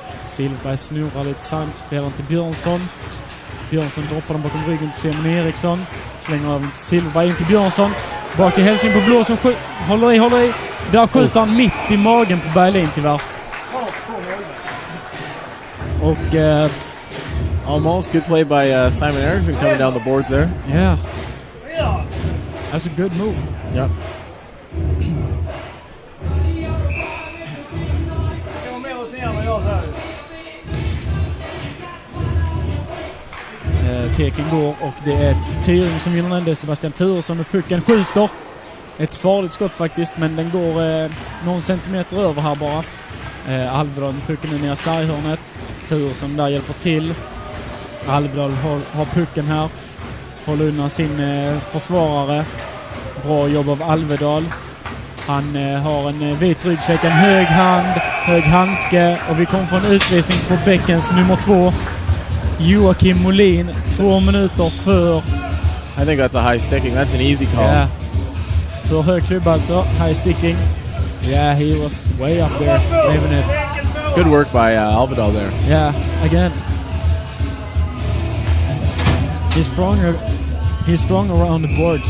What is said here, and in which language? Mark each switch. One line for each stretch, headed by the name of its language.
Swedish: Silverberg snurrar lite sant, spelar till Björnsson. Björnsson droppar den bakom ryggen till Simon Eriksson. Slänger av Silverberg in till Björnsson. Bak till Helsing på blå som skjuter. Håller i, håller i. Där skjuter han mitt i magen på Berglin tyvärr. Och
English: almost good play by Simon Eriksson coming down the boards there. Yeah. That's a good move. Yeah.
Swedish: Teken går och det är Tyring som gillar den. Det är Sebastian Turesson med pucken. Skjuter. Ett farligt skott faktiskt, men den går någon centimeter över här bara. Alvedal med pucken är nere i sarghörnet. Turesson där hjälper till. Alvedal har pucken här. Håller undan sin försvarare. Bra jobb av Alvedal. Han har en vit ryggsäck, en hög hand, hög handske. Och vi kommer få en utvisning på bäckens nummer 2. Joakim Molin, 2 minuter för...
English: I think that's a high sticking, that's an easy call. Yeah.
Swedish: För hög klubb alltså, high sticking.
English: Yeah, he was way up there, waving it. Good work by Alvedal there. Yeah, again. He's strong around the boards.